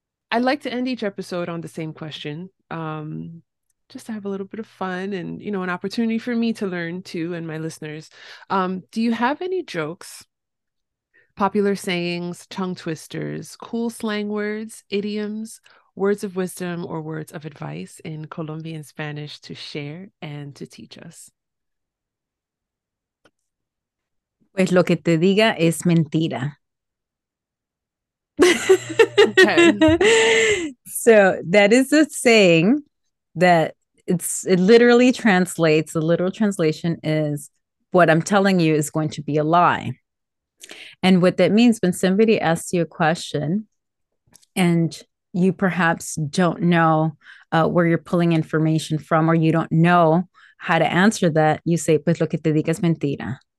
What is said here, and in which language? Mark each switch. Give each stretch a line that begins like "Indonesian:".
English: I'd like to end each episode on the same question. Just to have a little bit of fun and, an opportunity for me to learn too, and my listeners. Do you have any jokes, popular sayings, tongue twisters, cool slang words, idioms, words of wisdom, or words of advice in Colombian Spanish to share and to teach us?
Spanish: Pues lo que te diga es mentira.
English: Okay. So that is a saying that it literally translates, the literal translation is, what I'm telling you is going to be a lie. And what that means, when somebody asks you a question and you perhaps don't know where you're pulling information from, or you don't know how to answer that, you say,
Spanish: pues lo que te diga es mentira.